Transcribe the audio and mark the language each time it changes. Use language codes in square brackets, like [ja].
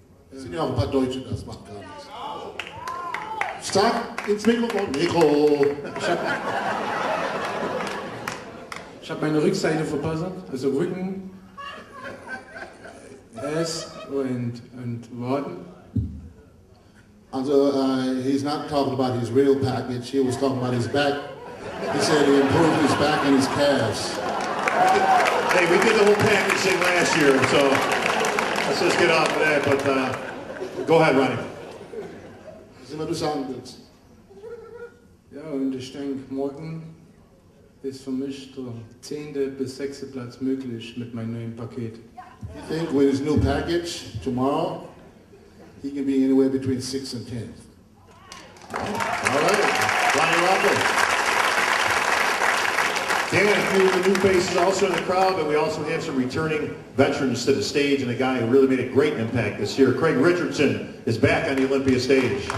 [de] Es sind ja auch ein paar Deutsche, das macht gar nichts. Sag ins Mikrofon. Mikro. Ich hab meine Rückseite verbessert, also Rücken, Ass und Waden. [en] Also he's not talking about his real package, he was talking about his back. He said he improved his back and his calves. Hey, we did the whole package thing last year, so let's just get off of that, but go ahead, Ronny. [de] Was immer du sagen willst. Ja, und ich denke, morgen ist für mich der 10. bis 6. Platz möglich mit meinem neuen Paket. [en] You think with his new package, tomorrow, he can be anywhere between 6 and 10. All right. Ronny Rockel. Dan, a few of the new faces also in the crowd, but we also have some returning veterans to the stage and a guy who really made a great impact this year. Craig Richardson is back on the Olympia stage.